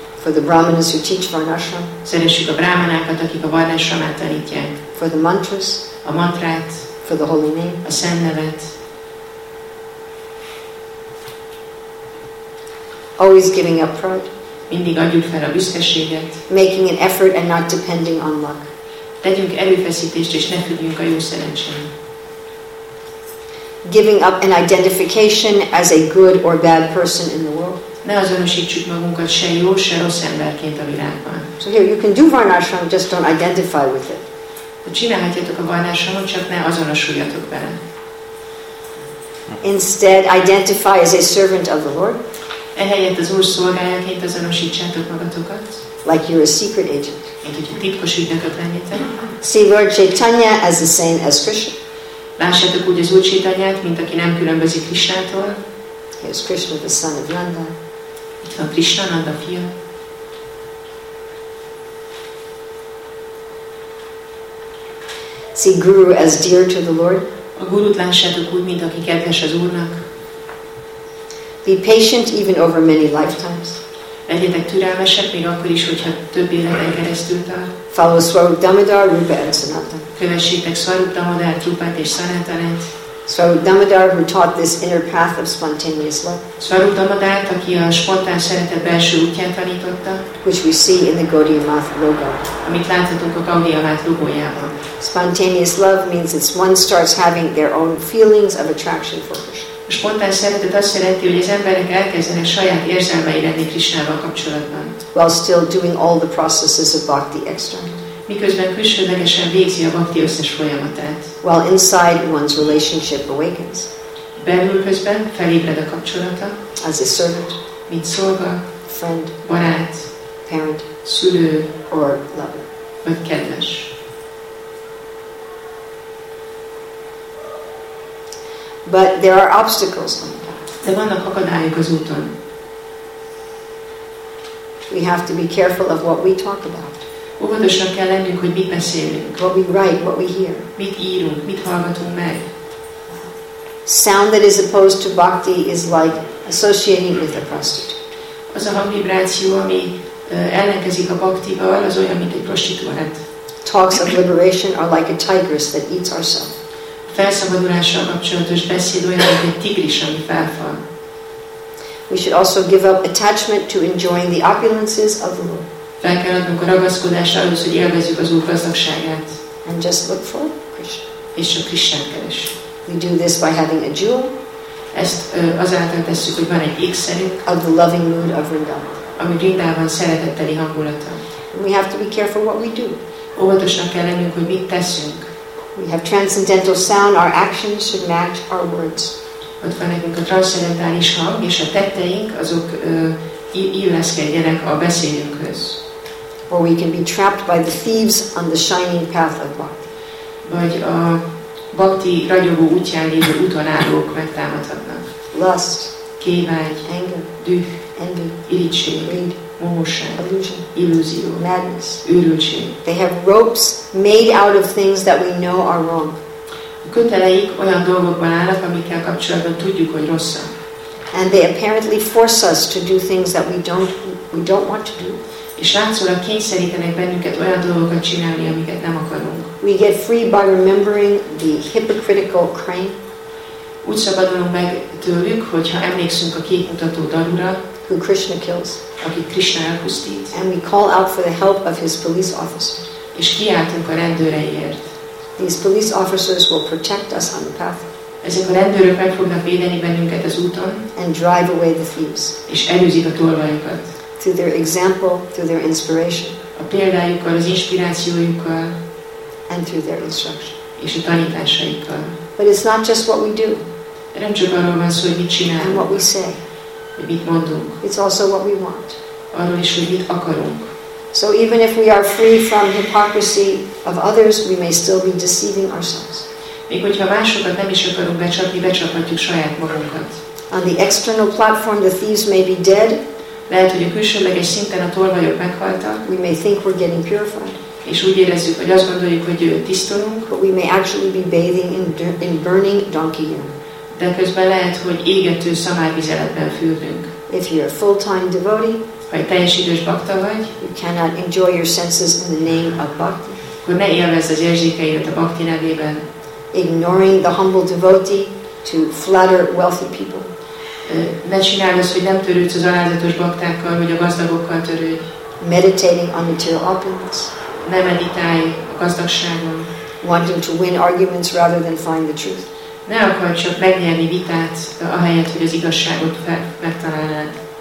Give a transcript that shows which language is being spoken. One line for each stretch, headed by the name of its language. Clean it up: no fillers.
English: For the brahmanas who teach Varnashram.
Hungarian: Szeressük a brahmanákat, akik a Varnashramát tanítják.
English: For the mantras.
Hungarian: A mantrát.
English: For the holy name.
Hungarian: A szent nevet.
English: Always giving up pride.
Hungarian: Mindig adjuk fel a büszkeséget.
English: Making an effort and not depending on luck.
Hungarian: Tegyünk erőfeszítést és ne függjünk a jó szerencsén.
English: Giving up an identification as a good or bad person in the world.
Hungarian: Ne azonosítsuk magunkat se jó, se rossz emberként a világban.
English: So here you can do varnashram, just don't identify with it.
Hungarian: Csinálhatjátok a varnashramot, csak ne azonosuljatok vele.
English: Instead, identify as a servant of the Lord.
Hungarian: Ehelyett az Úr szolgájaként azonosítsátok magatokat.
English: Like you're a secret agent.
Hungarian: Mint hogy a titkos ügynököt lennétek.
English: See Lord Chaitanya as the same as Krishna.
Hungarian: Lássátok úgy az Úr Chaitanyát, mint aki nem különbözik Krishnától.
English: Here's Krishna, the son of Nanda.
Hungarian: Itt van Krishna, Nanda fia.
English: See Guru as dear to the Lord.
Hungarian: A gurut lássátok úgy, mint aki kedves az Úrnak.
English: Be patient even over many lifetimes.
Hungarian: Legyetek türelmesek még akkor is, hogyha több életen keresztül tart.
English: Follow Swarup Damodar, Rupa and Sanatan.
Hungarian: Kövessétek Swarup Damodar, Rupát és Sanatanet.
English: Swarup Damodar, who taught this inner path of spontaneous love.
Hungarian: Swarup Damodar, aki a spontán szeretet belső útját tanította.
English: Which we see in the Gaudiya Math logo.
Hungarian: Amit láthatunk a Gaudiya Math logójában.
English: Spontaneous love means it's one starts having their own feelings of attraction for Krishna.
Hungarian: A spontán szeretet azt jelenti, hogy az emberek elkezdenek saját érzelmei lenni Krishnával kapcsolatban.
English: While still doing all the processes of bhakti externally.
Hungarian: Miközben külsődlegesen végzi a bhakti összes folyamatát.
English: While inside one's relationship awakens.
Hungarian: Belül közben felébred a kapcsolata.
English: As a servant.
Hungarian: Mint szolga.
English: Friend.
Hungarian: Barát.
English: Parent.
Hungarian: Szülő.
English: Or lover.
Hungarian: Vagy kedves.
English: But there are obstacles on the path.
Hungarian: De vannak akadályok az úton.
English: We have to be careful of what we talk about.
Hungarian: Óvatosan kell lennünk, hogy mit beszélünk.
English: What we write, what we hear.
Hungarian: Mit írunk, mit hallgatunk meg.
English: Sound that is opposed to bhakti is like associating with a prostitute.
Hungarian: Az a hangvibráció, ami ellenkezik a bhaktival, az olyan, mint egy prostituált.
English: Talks of liberation are like a tigress that eats herself.
Hungarian: Felszabadulással kapcsolatos beszéd olyan, mint egy tigris, ami felfal.
English: We should also give up attachment to enjoying the opulences of the Lord.
Hungarian: Fel kell adnunk a ragaszkodásra ahhoz, hogy élvezzük az Úr gazdagságát.
English: And just look for Krishna.
Hungarian: És csak Krishnát keres.
English: We do this by having a jewel.
Hungarian: Ezt azáltal tesszük, hogy van egy ékszerünk.
English: Of the loving mood of Vrindavan.
Hungarian: Ami Vrindavan szeretetteli hangulata.
English: And we have to be careful what we do.
Hungarian: Óvatosnak kell lennünk, hogy mit teszünk.
English: We have transcendental sound, our actions should match our words.
Hungarian: Ott van nekünk a transzcendentális hang, és a tetteink, azok illeszkedjenek a beszélünkhöz.
English: Or we can be trapped by the thieves on the shining path of bhakti.
Hungarian: Vagy a bhakti ragyogó útján lévő úton állók megtámadhatnak.
English: lust,
Hungarian: kívágy,
English: anger,
Hungarian: düh,
English: envy,
Hungarian: irigység,
English: greed,
Hungarian: momosság,
English: illusion,
Hungarian: illúzió,
English: madness,
Hungarian: őrültség.
English: They have ropes made out of things that we know are wrong.
Hungarian: A köteleik olyan dolgokban állnak, amikkel kapcsolatban tudjuk, hogy rosszak.
English: And they apparently force us to do things that we don't want to do.
Hungarian: És látszólag kényszerítenek bennünket olyan dolgokat csinálni, amiket nem akarunk.
English: We get free by remembering the hypocritical crane.
Hungarian: Úgy szabadulunk meg tőlük, hogyha emlékszünk a képmutató darura,
English: who Krishna kills,
Hungarian: aki Krishna elpusztít.
English: And we call out for the help of his police officers.
Hungarian: És kiáltunk a rendőreiért.
English: These police officers will protect us on the path.
Hungarian: Ezek a rendőrök meg fognak védeni bennünket az úton.
English: And drive away the thieves.
Hungarian: És elűzik a tolvajokat.
English: Through their example, through their inspiration.
Hungarian: A példájukkal, az inspirációjukkal.
English: And through their instruction.
Hungarian: És a tanításaikkal.
English: But it's not just what we do.
Hungarian: Nem csak arról van szó, hogy mit csinálunk.
English: And what we say.
Hungarian: Hogy mit mondunk.
English: It's also what we want.
Hungarian: Arról is, hogy mit akarunk.
English: So even if we are free from hypocrisy of others, we may still be deceiving ourselves.
Hungarian: Még hogyha másokat nem is akarunk becsapni, becsaphatjuk saját magunkat.
English: On the external platform, the thieves may be dead.
Hungarian: Lehet, hogy a külsőleges szinten a tolvajok meghaltak.
English: We may think we're getting purified.
Hungarian: És úgy érezzük, hogy azt gondoljuk, hogy tisztulunk.
English: But we may actually be bathing in burning donkey urine.
Hungarian: De közben lehet, hogy égető szamárvizeletben fürdünk.
English: If you're a full-time devotee,
Hungarian: ha egy teljes idős bakta vagy,
English: you cannot enjoy your senses in the name of bhakti.
Hungarian: Akkor ne élvezd az érzékeidet a bhakti nevében.
English: Ignoring the humble devotee to flatter wealthy people.
Hungarian: Ne csináld azt, hogy nem törődsz az alázatos baktákkal, vagy a gazdagokkal törődj.
English: Meditating on material opulence.
Hungarian: Ne meditálj a gazdagságon.
English: Wanting to win arguments rather than find the truth.
Hungarian: Ne akarj csak megnyerni vitát, ahelyett, hogy az igazságot megtalálnád.